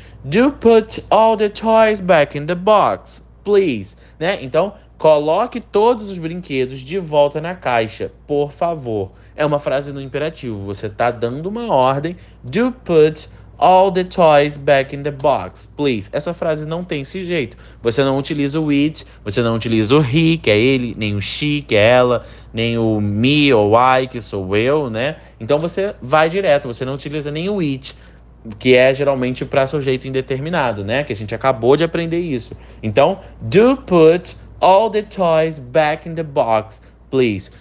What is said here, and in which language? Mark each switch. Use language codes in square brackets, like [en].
[en] Do put all the toys back in the box, please. [pt] Né? Então, coloque todos os brinquedos de volta na caixa, por favor. É uma frase no imperativo. Você está dando uma ordem. [en] Do put all the toys back in the box, please. [pt] Essa frase não tem esse jeito. Você não utiliza o it, você não utiliza o he, que é ele, nem o she, que é ela, nem o me ou I, que sou eu, né? Então você vai direto, você não utiliza nem o it, que é geralmente para sujeito indeterminado, né? Que a gente acabou de aprender isso. Então, [en] do put all the toys back in the box. Please.